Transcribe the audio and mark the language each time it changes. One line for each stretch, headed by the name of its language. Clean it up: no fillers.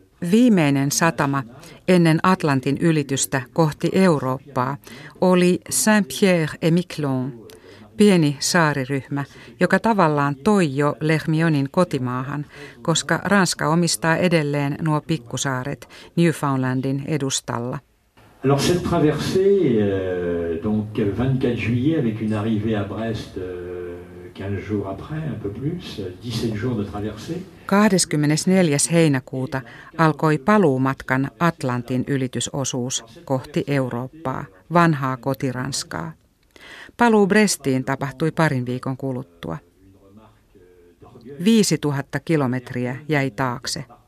Finnish: Viimeinen satama ennen Atlantin ylitystä kohti Eurooppaa oli Saint-Pierre-et-Miquelon, pieni saariryhmä, joka tavallaan toi jo Lermionin kotimaahan, koska Ranska omistaa edelleen nuo pikkusaaret Newfoundlandin edustalla.
French: Alors cette traversée donc 24 juillet avec une arrivée à Brest 15 jours après, un peu plus, 17 jours de traversée.
Finnish: 24. heinäkuuta alkoi paluumatkan Atlantin ylitysosuus kohti Eurooppaa, vanhaa kotiranskaa. Paluu Brestiin tapahtui parin viikon kuluttua. 5000 kilometriä jäi taakse.